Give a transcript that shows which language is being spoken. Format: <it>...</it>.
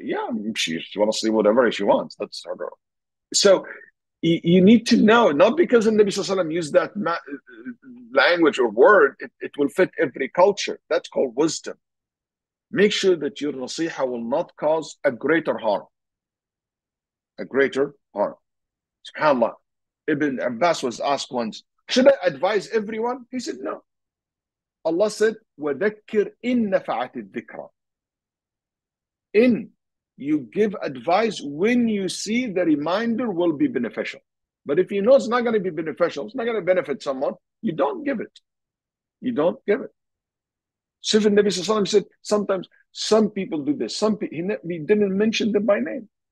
<en>Yeah, she wants to sleep whatever she wants. That's her girl. So you need to know, not because the Nabi Sallallahu Alaihi Wasallam used that language or word, it will fit every culture. That's called wisdom. Make sure that your nasiha will not cause a greater harm. A greater harm. SubhanAllah. Ibn Abbas was asked once, should I advise everyone? He said, no. Allah said,</en> <ar>وَذَكِّرْ إِن نَفَعَتِ الذِّكْرَى.</ar> <en>In, you give advice when you see the reminder will be beneficial. But if you know it's not going to be beneficial, it's not going to benefit someone, you don't give it. You don't give it. So if Nabi Sallallahu Alaihi Wasallam said, sometimes some people do this. He didn't mention them by name.</en>